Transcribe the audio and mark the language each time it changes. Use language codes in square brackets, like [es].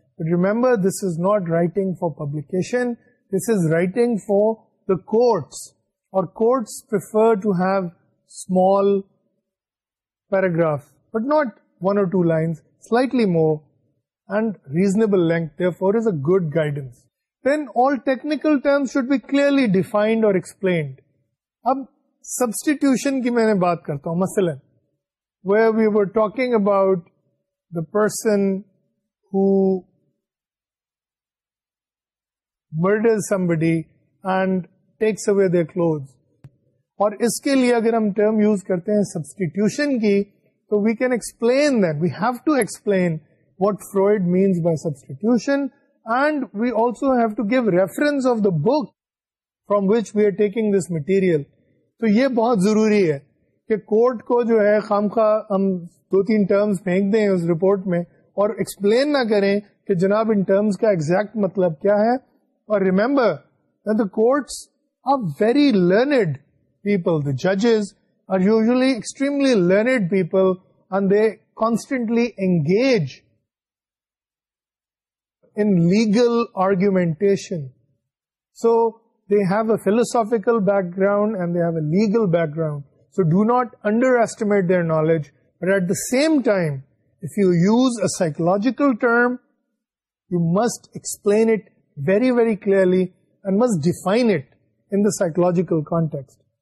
[en] But remember this is not writing for publication, this is writing for the courts, اور courts prefer to have small paragraph but not one or two lines, slightly more and reasonable length, therefore is a good guidance. Then all technical terms should be clearly defined or explained. [ur] Ab substitution ki maine baat karta hu, masalan [en] where we were talking about the person who murders somebody and takes away their clothes, [ur] aur iske liye agar hum term use karte hain substitution ki, [en] so we can explain that, we have to explain what Freud means by substitution. And we also have to give reference of the book from which we are taking this material. [ur] So, یہ بہت ضروری ہے کہ court کو جو ہے خامخواہ ہم دو تین ٹرمز پھینک دیں اس رپورٹ میں اور ایکسپلین نہ کریں کہ جناب ان ٹرمز کا ایگزیکٹ مطلب کیا ہے. [en] اور remember that the courts are very learned people, دا ججز are usually extremely learned people and they constantly engage in legal argumentation. So, they have a philosophical background and they have a legal background. So, do not underestimate their knowledge. But at the same time, if you use a psychological term, you must explain it very, very clearly and must define it in the psychological context.